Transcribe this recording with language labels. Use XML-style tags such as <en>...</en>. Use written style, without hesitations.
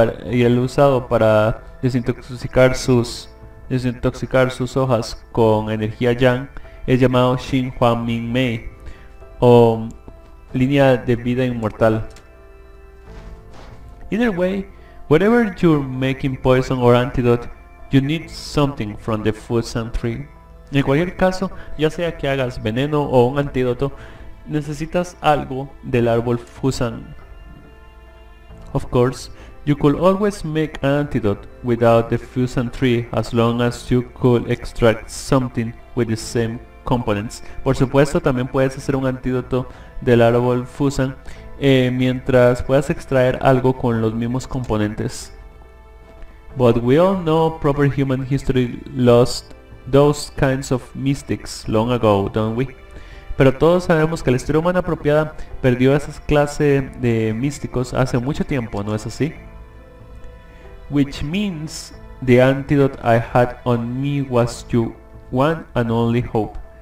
<es>Y el usado para desintoxicar sus hojas con energía Yang es llamado Xin Hua Ming Mei, o línea de vida inmortal.</es> <en>Either way, whatever you're making poison or antidote, you need something from the Fusang Tree.</en> <es>En cualquier caso, ya sea que hagas veneno o un antídoto, necesitas algo del árbol Fusang.</es> <en>Of course, you could always make an antidote without the Fusang Tree as long as you could extract something with the same components.</en> <es>Por supuesto, también puedes hacer un antídoto del árbol Fusang mientras puedas extraer algo con los mismos componentes.</es> <en>But we all know proper human history lost those kinds of mystics long ago, don't we?</en> <es>Pero todos sabemos que la historia humana apropiada perdió esa clase de místicos hace mucho tiempo, ¿no es así?</es> <en>Which means the antidote I had on me was your one and only hope.</en>